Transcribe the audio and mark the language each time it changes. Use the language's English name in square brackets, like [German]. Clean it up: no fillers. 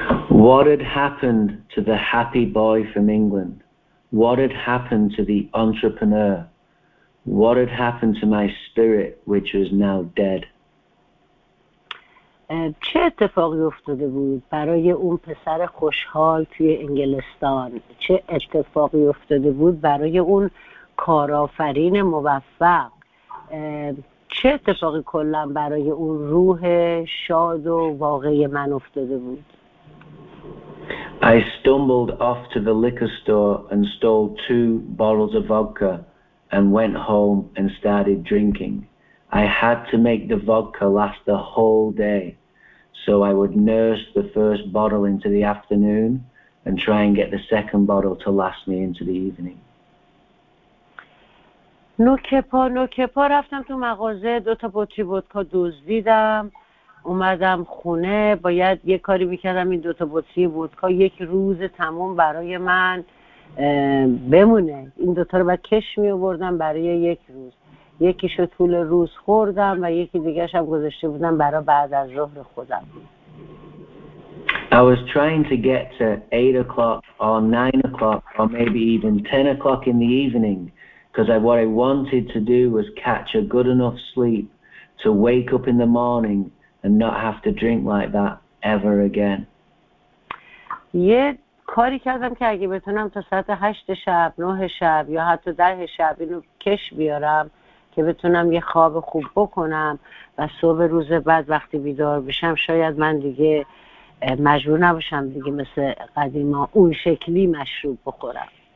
[English] What had happened to the happy boy from England? What had happened to the entrepreneur? What had happened to my spirit which was now dead? [Persian] چه اتفاقی افتاده بود برای اون پسر خوشحال توی انگلستان؟ چه اتفاقی افتاده بود برای اون کارآفرین موفق؟ چه اتفاقی کلن برای اون روح شاد و واقعی من افتاده بود؟ [English] I stumbled off to the liquor store and stole 2 bottles of vodka and went home and started drinking. I had to make the vodka last the whole day, so I would nurse the first bottle into the afternoon and try and get the second bottle to last me into the evening. [Persian] نوکپا رفتم تو مغازه، 2 بطری ودکا دزدیدم، اومدم خونه، باید یه کاری میکردم این 2 بطری ودکا یک روز تمام برای من بمونه، این 2 رو باید کش میوردم برای یک روز، یکیشو طول روز خوردم و یکی دیگرش هم گذاشته بودم برای بعد از ظهر خودم. [English] I was trying to get to 8 o'clock or 9 o'clock or maybe even 10 o'clock in the evening because what I wanted to do was catch a good enough sleep to wake up in the morning and not have to drink like that ever again. [Persian] یه کاری کردم که اگه بتونم تا ساعت 8 شب 9 شب یا حتی 10 شب اینو کش بیارم که بتونم یه خواب خوب بکنم و صبح روز بعد وقتی بیدار بشم شاید من دیگه مجبور نباشم دیگه مثل قدیما اون شکلی مشروب بخورم.